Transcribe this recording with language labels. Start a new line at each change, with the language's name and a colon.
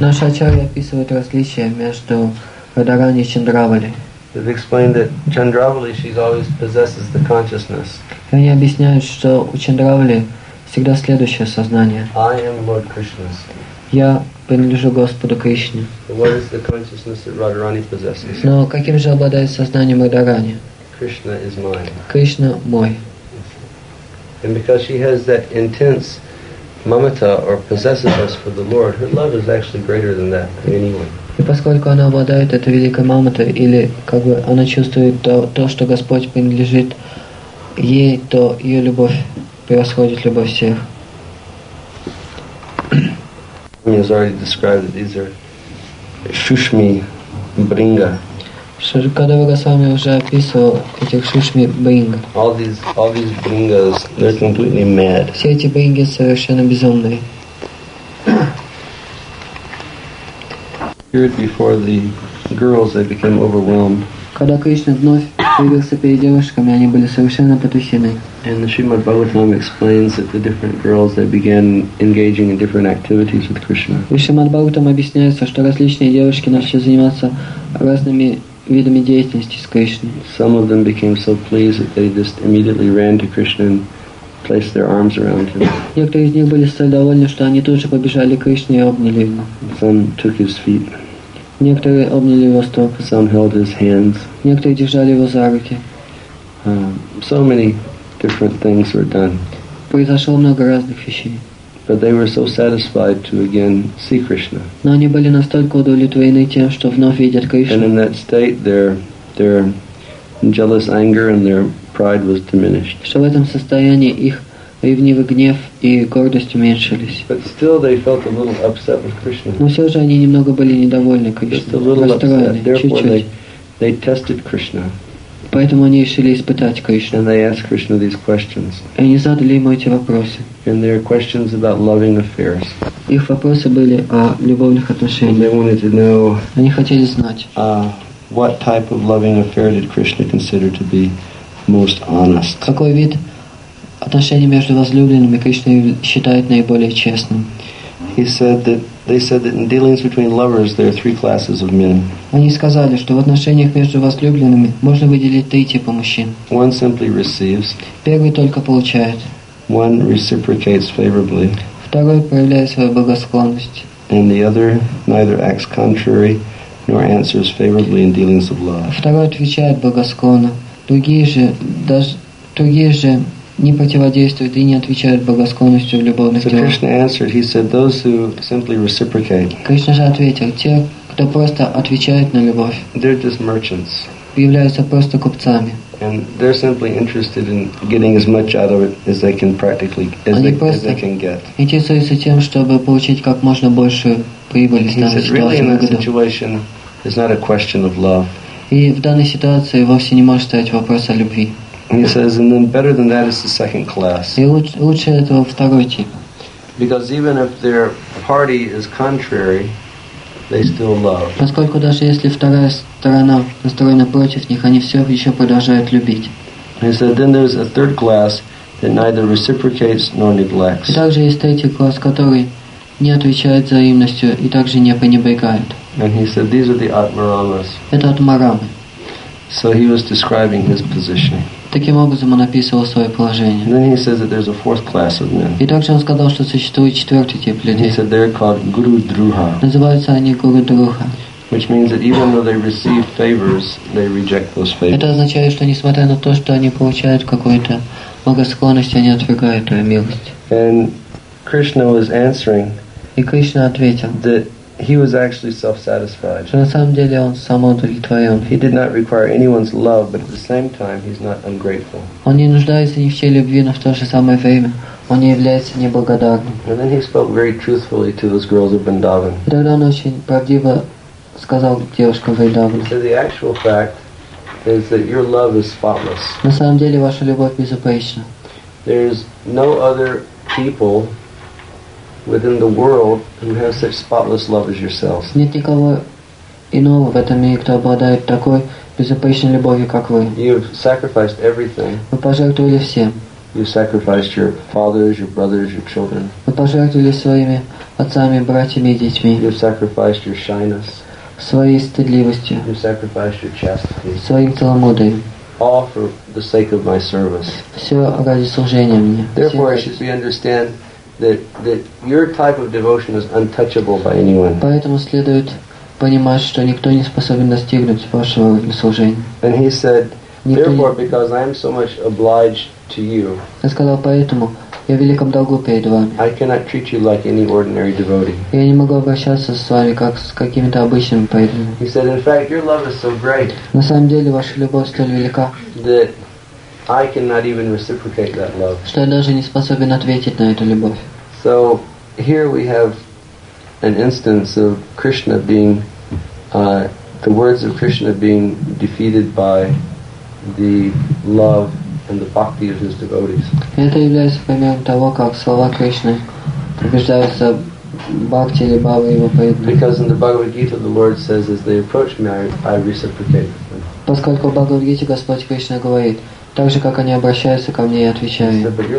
Russian: Наши ачарьи описывают различия между Радхарани и Чандравали.
English: They've explained that Chandravali, she always possesses the consciousness.
Russian: И они объясняют, что у Чандравали всегда следующее сознание.
English: I am Lord Krishna.
Russian: Я принадлежу Господу Кришне.
English: What is the consciousness that Radharani possesses?
Russian: Но каким же обладает сознанием Радхарани?
English: Krishna is mine.
Russian: Кришна мой.
English: And because she has that intense Mamata, or possesses us for the Lord, her love is actually greater than that of anyone.
Russian: И поскольку она обладает этой великой мамотой, или как бы она чувствует то, что Господь принадлежит ей, то ее любовь превосходит любовь всех.
English: Swami has already described that these are Shushmi Bringa.
Russian: Когда вы Госвами уже описывал этих Шушми Бринг.
English: All these Брингас, they're completely mad.
Russian: Все эти Бринги совершенно безумные.
English: Appeared before the girls, they became overwhelmed.
Russian: Когда Кришна вновь появился перед девушками, они были совершенно потрясены.
English: And the Srimad Bhagavatam explains that the different girls, they began engaging in different activities with Krishna.
Russian: И Шримад Бхагаватам объясняется, что различные девушки начали заниматься разными видами деятельности с Кришной.
English: Some of them became so pleased that they just immediately ran to Krishna and placed their arms around him.
Russian: Некоторые из них были столь довольны, что они тут же побежали к Кришне и обняли его.
English: Some took his feet.
Russian: Некоторые обняли его стоп.
English: Some held his hands.
Russian: Некоторые держали его за руки.
English: So many different things were done.
Russian: Произошло много разных вещей.
English: But they were so satisfied to again see Krishna.
Russian: Но они были настолько удовлетворены тем, что вновь видят Кришну.
English: And in that state, their jealous anger and their pride was diminished.
Russian: Что в этом состоянии их ревнивый гнев и гордость уменьшились.
English: But still they felt a little upset with Krishna.
Russian: Но все же они немного были недовольны Кришной.
English: Just a little
Russian: расстроены.
English: Upset. Therefore, they tested Krishna.
Russian: Поэтому они решили испытать Кришну.
English: And they asked Krishna these questions.
Russian: И они задали ему эти вопросы.
English: And their questions about loving affairs.
Russian: Их вопросы были о любовных отношениях.
English: And they wanted to know.
Russian: Они хотели знать.
English: What type of loving affair did Krishna consider to be most honest?
Russian: Какой вид отношений между возлюбленными Кришна считает наиболее честным?
English: He said that they said that in dealings between lovers there are three classes of men.
Russian: Они сказали, что в отношениях между возлюбленными можно выделить три типа мужчин.
English: One simply receives.
Russian: Первый только получает.
English: One reciprocates favorably.
Russian: Второй проявляет свою благосклонность.
English: And the other neither acts contrary nor answers favorably in dealings of love.
Russian: Второй отвечает благосклонно. Другие же не противодействуют и не отвечают благосклонностью в любовных делах.
English: So Krishna answered, he said, those who simply reciprocate.
Russian: Кришна же ответил, те, кто просто отвечает на любовь.
English: They're just merchants.
Russian: Являются просто купцами.
English: And they're simply interested in getting as much out of it as they can practically, as they can get.
Russian: Они просто интересуются тем, чтобы получить как можно больше прибыли из данной ситуации.
English: He said, really, in that situation, it's not a question of love.
Russian: И в данной ситуации вовсе не может стоять вопрос о любви.
English: He says, and then better than that is the second class.
Russian: И лучше этого второй тип.
English: Because even if their party is contrary, they still love.
Russian: Поскольку даже если вторая сторона настроена против них, они все еще продолжают любить.
English: He said, then there's a third class that neither reciprocates nor neglects.
Russian: И также есть третий класс, который не отвечает взаимностью и также не пренебрегает.
English: And he said, these are the Atmaramas.
Russian: Это Атмарамы.
English: So he was describing his position.
Russian: Таким образом он описывал свое положение.
English: Then he says that there's a fourth class of men.
Russian: И также он сказал, что существует четвертый тип людей.
English: He said they're called Guru Druha.
Russian: Называются они Guru Druha.
English: Which means that even though they receive favors, they reject those favors.
Russian: Это означает, что несмотря на то, что они получают какую-то благосклонность, они отвергают твою милость.
English: And Krishna was answering.
Russian: И Кришна ответил.
English: He was actually self-satisfied.
Russian: Что на самом деле он самоудовлетворен.
English: He did not require anyone's love, but at the same time, he's not ungrateful.
Russian: Он не нуждается ни в чьей любви, но в то же самое время он не является неблагодарным.
English: And then he spoke very truthfully to those girls of Vrindavan.
Russian: И тогда он очень правдиво сказал девушкам Вриндавана.
English: So the actual fact is that your love is spotless.
Russian: На самом деле ваша любовь безупречна.
English: There's no other people within the world who have such spotless love as yourselves.
Russian: Нет никого иного в этом мире, кто обладает такой безупречной любовью, как вы.
English: You've sacrificed everything.
Russian: Вы пожертвовали всем.
English: You've sacrificed your fathers, your brothers, your children.
Russian: Вы пожертвовали своими отцами, братьями и детьми.
English: You've sacrificed your shyness.
Russian: Своей стыдливостью.
English: You've sacrificed your chastity.
Russian: Своим целомудрием.
English: All for the sake of my service.
Russian: Все ради служения мне.
English: Therefore, I should be understand that your type of devotion is untouchable by anyone.
Russian: Поэтому следует понимать, что никто не способен достигнуть вашего служения.
English: And he said, therefore, because I am so much obliged to you.
Russian: Я сказал, поэтому я в великом долгу перед вами.
English: I cannot treat you like any ordinary devotee.
Russian: Я не могу обращаться с вами как с какими-то обычными преданными.
English: He said, in fact, your love is so great.
Russian: На самом деле ваша любовь столь велика.
English: That I cannot even reciprocate that love.
Russian: Что я даже не способен ответить на эту любовь.
English: So here we have an instance of Krishna being the words of Krishna being defeated by the love and the bhakti of his devotees.
Russian: Это является примером того, как слова Кришны побеждаются бхакти или бхавы его преданных.
English: Because in the Bhagavad Gita, the Lord says, as they approach me, I reciprocate.
Russian: Поскольку в Бхагавад Гите Господь Кришна говорит, так же, как они обращаются ко мне и отвечают.